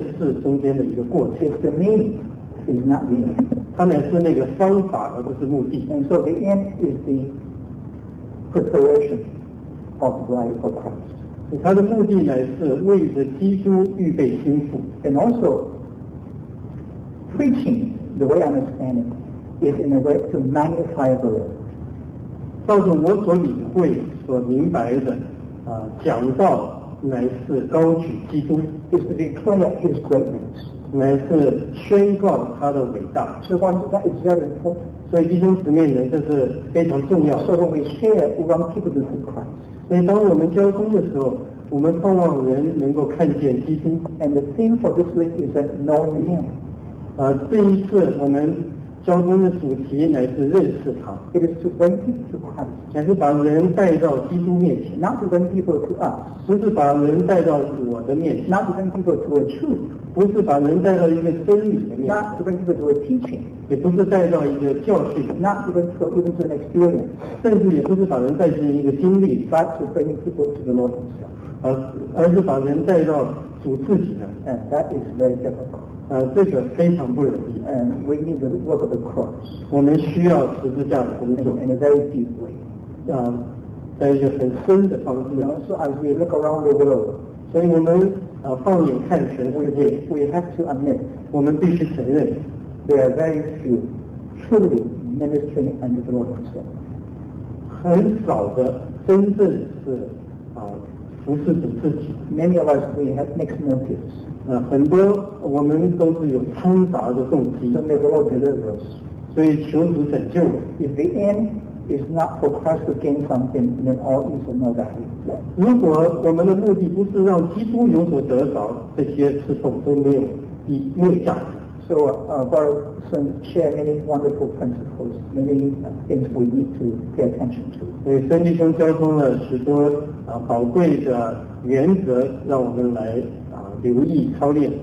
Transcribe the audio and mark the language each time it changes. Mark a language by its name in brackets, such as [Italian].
[Chinese] 所以话语的执事乃是为了要达到某一件事中间的一个过程。 [English] The meaning is not the end. [Chinese] 它乃是那个方法而不是目的。 [English] And so the end is the preparation of life for Christ. [Chinese] 它的目的乃是为着基督预备心腹。 [English] And also, preaching, the way I understand it, is in a way to magnify the Lord. [Chinese] 照着我所领会、所明白的，讲道乃是高举基督 [English] is to declare his greatness [Chinese] 乃是宣告他的伟大 [English] so that is very important [Chinese] 所以弟兄姊妹们这是非常重要 [English] so when we share with other people this Christ [Chinese] 所以当我们交通的时候我们盼望人能够看见基督 [English] and the theme for this week is that knowing him [Chinese] 这一次我们交通的主题乃是认识他 [English] It is to bring people to Christ [Chinese] 乃是把人带到基督面前 [English] Not to bring people to us [Chinese] 不是把人带到我的面前 [English] Not to bring people to a truth [Chinese] 不是把人带到一个真理的面前 [English] Not to bring people to a teaching [Chinese] 也不是带到一个教训 [English] Not to bring people even to an experience [Chinese] 甚至也不是把人带进一个经历 [English] But to bring people to the Lord himself [Chinese] 而是把人带到主自己的 [English] And that is very difficult [Chinese] 这个非常不容易 [English] and we need the work of the cross [Chinese] 我们需要十字架的工作 [English] in a very deep way [Chinese] 在一个很深的方式 [English] you know, so as we look around the world [Chinese] 所以我们放眼看全世界 [English] we have to admit [Chinese] 我们必须承认 [English] there are very few truly ministering under the Lord himself [Chinese] 很少的真正是服侍主自己 [English] many of us we have mixed motives [Chinese] 很多我们都是有掺杂的动机 [English] so may the Lord deliver us [Chinese] 所以求主拯救 [English] if the end is not for Christ to gain something then all is no value [Chinese] 如果我们的目的不是让基督有所得着这些是否都没有意义没有价值 [English] so Barson share many wonderful principles many things we need to pay attention to [Chinese] 所以圣经中交通了许多宝贵的原则让我们来留意操练